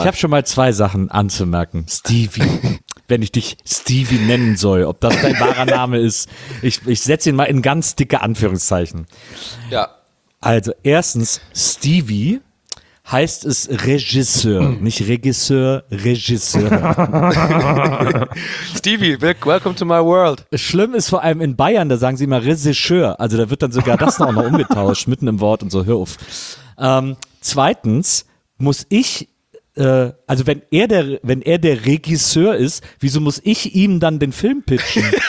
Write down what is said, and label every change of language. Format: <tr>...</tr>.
<de>Ich habe schon mal zwei Sachen anzumerken. Stevie, wenn ich dich Stevie nennen soll, ob das dein wahrer Name ist. Ich setze ihn mal in ganz dicke Anführungszeichen. Ja. Also erstens, Stevie heißt es Regisseur, nicht Regisseur, Regisseur.</de> <en>Stevie, welcome to my world.</en> <de>Schlimm ist vor allem in Bayern, da sagen sie immer Regisseur. Also da wird dann sogar das noch mal umgetauscht, mitten im Wort und so, hör auf. Zweitens, muss ich, also wenn er der Regisseur ist, wieso muss ich ihm dann den Film pitchen?</de>